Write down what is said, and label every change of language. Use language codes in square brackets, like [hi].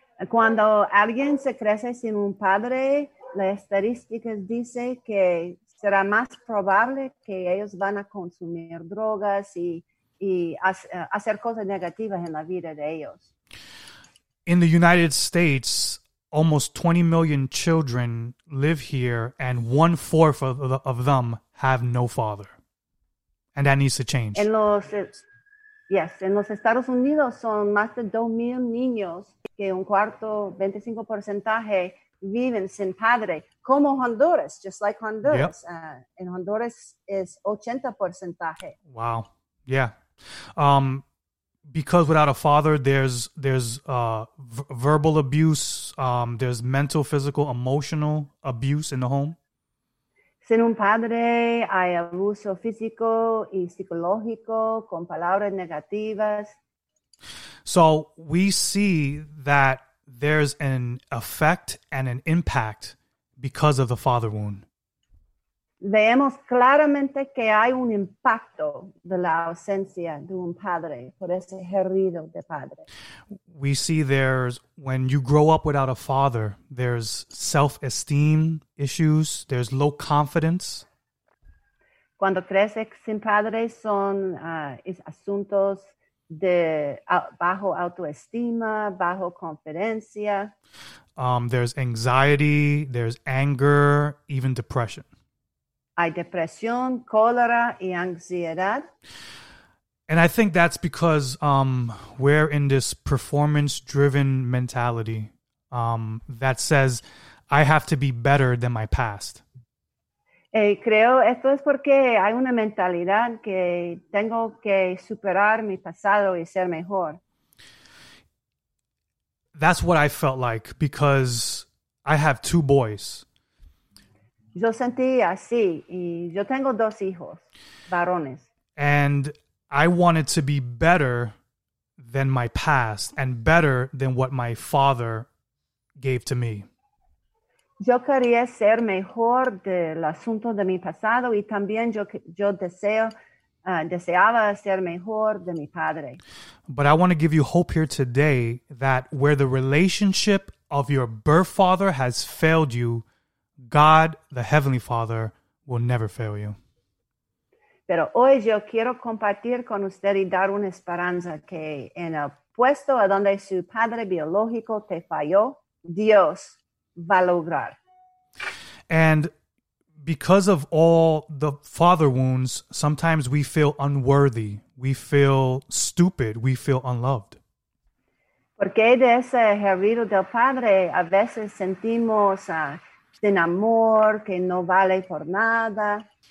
[es] Cuando alguien se crece sin un padre, las estadísticas dicen que será más probable que ellos van a consumir drogas y hacer cosas negativas en la vida de ellos. [en] In the United States, almost 20 million children live here, and one-fourth of them have no father. And that needs to change. [es] En los Estados Unidos son más de 2,000 niños que un cuarto, 25% viven sin padre, como Honduras, [en] just like Honduras. Yep. [es] En Honduras es 80%. [en] Wow. Yeah. Because without a father, there's verbal abuse, there's mental, physical, emotional abuse in the home. [es] Sin un padre, hay abuso físico y psicológico con palabras negativas. [en] So we see that there's an effect and an impact because of the father wound. [es] Vemos claramente que hay un impacto de la ausencia de un padre por ese herido de padre. [en] We see there's, when you grow up without a father, there's self-esteem issues, there's low confidence. [es] Cuando creces sin padre son asuntos de bajo autoestima, bajo confidencia. [en] There's anxiety, there's anger, even depression. [es] Hay depresión, cólera y ansiedad. [en] And I think that's because we're in this performance-driven mentality that says, I have to be better than my past. [es] Creo esto es porque hay una mentalidad que tengo que superar mi pasado y ser mejor. [en] That's what I felt like because I have two boys. [es] Yo sentí así, y yo tengo dos hijos, varones. [en] And I wanted to be better than my past and better than what my father gave to me. [es] Yo quería ser mejor del asunto de mi pasado y también deseaba ser mejor de mi padre. [en] But I want to give you hope here today that where the relationship of your birth father has failed you, God, the Heavenly Father, will never fail you. [es] Pero hoy yo quiero compartir con usted y dar una esperanza que en el puesto a donde su padre biológico te falló, Dios va a lograr. [en] And because of all the father wounds, sometimes we feel unworthy, we feel stupid, we feel unloved. [es] Porque de ese herido del padre a veces sentimos sin amor, que no vale por nada.